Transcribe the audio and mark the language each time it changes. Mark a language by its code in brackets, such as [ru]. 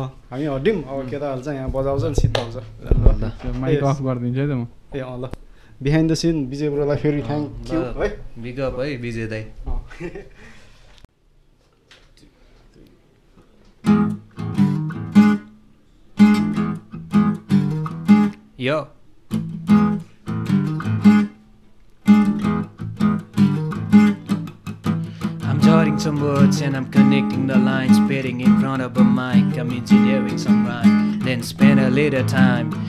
[ne] हामी हट्यौँ अब केटाहरू चाहिँ यहाँ बजाउँछ नि सिद्धाउँछ माइक अफ गरिदिन्छु है त म ए ल [en] behind the scene [ne] विजय ब्रोलाई फेरि थ्याङ्क यू है बिग अप है विजय दाइ यो [en] Writing some words and I'm connecting the lines Spitting in front of a mic I'm engineering some rhyme Then spend a little time